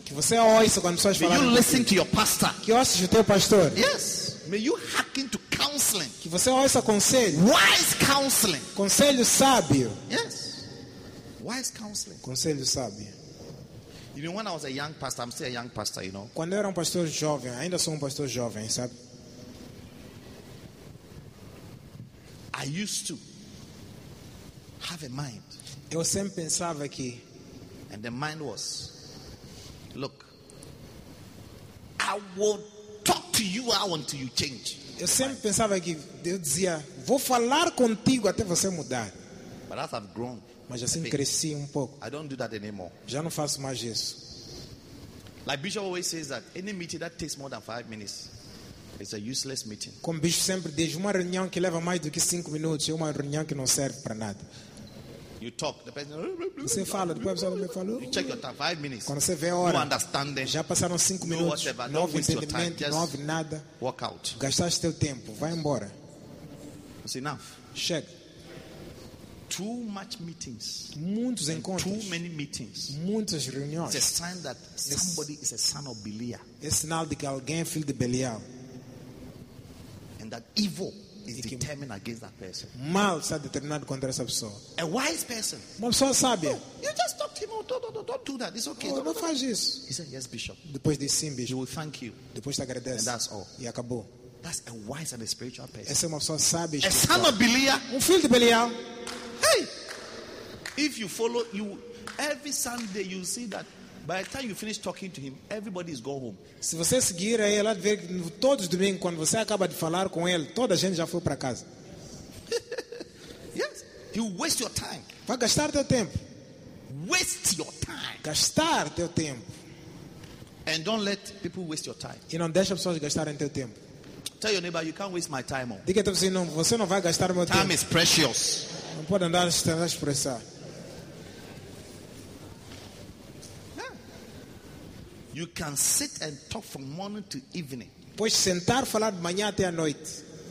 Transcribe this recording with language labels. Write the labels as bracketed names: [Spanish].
[Portuguese] Que você ouça quando pessoas falam. [English] May you listen to your pastor. [Portuguese] Que ouças o teu pastor. [English] Yes. May you hearken to counseling. [Portuguese] Que você ouça conselho. [English] Wise counseling. [Portuguese] Conselho sábio. [English] Yes. Wise counseling. [Portuguese] Conselho sábio. [English] You know, when I was a young pastor, I'm still a young pastor, you know. [Portuguese] Quando eu era pastor jovem, ainda sou pastor jovem, sabe? [English] I used to have a mind. [Portuguese] Eu sempre pensava que, [English] and the mind was, look, I will talk to you out until you change. [Portuguese] Eu sempre pensava que Deus dizia, vou falar contigo até você mudar. [English] But as I've grown, [Portuguese] mas assim cresci pouco. [English] I don't do that anymore. [Portuguese] Já não faço mais isso. [English] Like Bishop always says that any meeting that takes more than 5 minutes, it's a useless meeting. [Portuguese] Como Bishop sempre diz, uma reunião que leva mais do que 5 minutos é uma reunião que não serve para nada. [English] You talk, the person, [Portuguese] você fala, depois a pessoa me falou. [English] You check your time, 5 minutes. [Portuguese] Quando você vê a hora, [English] no understanding, [Portuguese] já passaram 5 minutos. Não houve entendimento, não houve nada. [English] Walk out. [Portuguese] Gastaste teu tempo, vai embora. [English] It's enough. [Portuguese] Chega. [English] Too much meetings. [Portuguese] Muitos encontros. [English] Too many meetings. [Portuguese] Muitas reuniões. [English] It's a sign that somebody is a son of Belial. [Portuguese] É sinal de que alguém é filho de Belial. [English] And that evil is determined against that person. [Portuguese] Mal está determinado contra essa pessoa. [English] A wise person. [Portuguese] Uma pessoa sábia. [English] Oh, you just talk to him. Don't do that. It's okay. [Portuguese] Oh, não faz isso. [English] He said, yes, Bishop. [Portuguese] Depois disse sim, Bishop. [English] He will thank you. [Portuguese] Depois te agradece. [English] And that's all. [Portuguese] E acabou. [English] That's a wise and a spiritual person. [Portuguese] Essa é uma pessoa sábia. [English] A son of Belial. [Portuguese] Filho de Belial. [English] Hey, if you follow you every Sunday, you see that by the time you finish talking to him, everybody is gone home. [Portuguese] Se você seguir aí, ela vê todos os domingos quando você acaba de falar com ele, toda a gente já foi para casa. [English] Yes, you waste your time. [Portuguese] Vai gastar teu tempo. [English] Waste your time. [Portuguese] Gastar teu tempo. [English] And don't let people waste your time. [Portuguese] E não deixa pessoas gastarem teu tempo. [English] Tell your neighbor, you can't waste my time. [Portuguese] Diga a vizinho, você não vai gastar meu tempo. [English] Time is precious. [Portuguese] Não pode andar sem expressar. [English] You can sit and talk from morning to evening. [Portuguese] Pois sentar falar de manhã até à noite.